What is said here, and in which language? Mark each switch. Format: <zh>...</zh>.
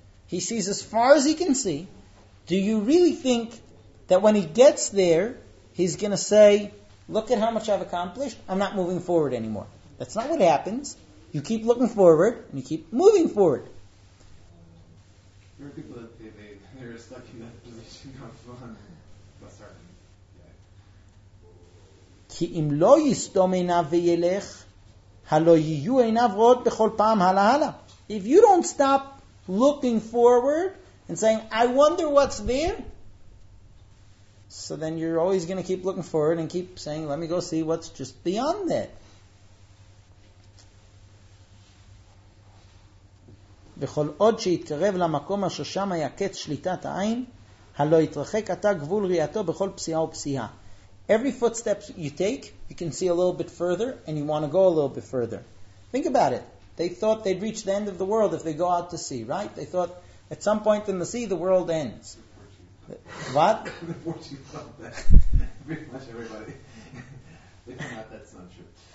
<en>He sees as far as he can see. Do you really think that when he gets there, he's going to say, look at how much I've accomplished, I'm not moving forward anymore? That's not what happens. You keep looking forward, and you keep moving forward. There are people that they're stuck in that position of fun.</en> <he>כי אם לא יסתום עיניו וילך, הלא יהיו עיניו רואות בכל פעם הלאה הלאה.</he> <en>If you don't stop looking forward and saying, I wonder what's there, so then you're always going to keep looking forward and keep saying, let me go see what's just beyond that.</en> <he>וכל עוד שיתקרב למקום אשר שם היה קץ שליטת העין, הלא יתרחק עתה גבול ראייתו בכל פסיעה ופסיעה.</he> <en>Every footstep you take, you can see a little bit further, and you want to go a little bit further. Think about it. They thought they'd reach the end of the world if they go out to sea, right? They thought at some point in the sea, the world ends. What? The fortune thought that. Pretty much everybody. If not, that's not true.</en>